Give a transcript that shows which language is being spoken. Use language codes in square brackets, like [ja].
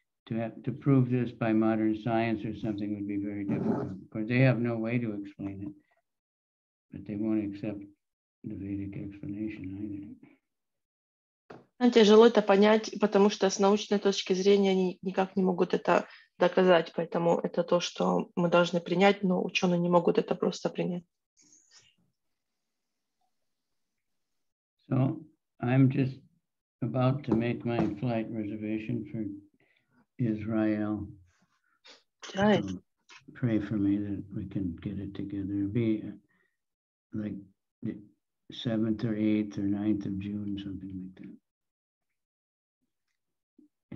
[en] To have to prove this by modern science or something would be very difficult. Because they have no way to explain it. But they won't accept the Vedic explanation either. [ru] Тяжело это понять, потому что с научной точки зрения они никак не могут это доказать. Поэтому это то, что мы должны принять, но ученые не могут это просто принять. [en] So I'm just about to make my flight reservation for Israel. Right. Pray for me that we can get it together. It'll be like the 7th or 8th or 9th of June, something like that.